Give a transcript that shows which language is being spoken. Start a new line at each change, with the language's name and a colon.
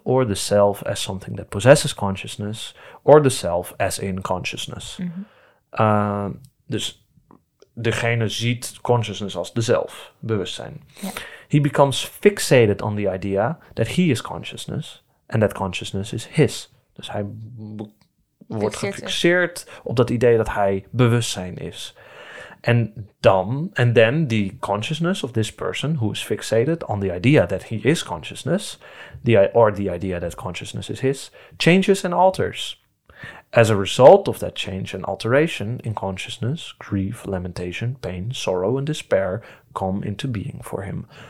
English: Or the self as something that possesses consciousness. Or the self as in consciousness. Mm-hmm.
Dutch: Dus degene ziet consciousness als de zelf. Bewustzijn. Ja.
English: He becomes fixated on the idea that he is consciousness. And that consciousness is his.
Dutch: Dus hij wordt gefixeerd op dat idee dat hij bewustzijn is. En dan,
English: and then the consciousness of this person who is fixated on the idea that he is consciousness, or the idea that consciousness is his, changes and alters. As a result of that change and alteration in consciousness, grief, lamentation, pain, sorrow and despair come into being for him.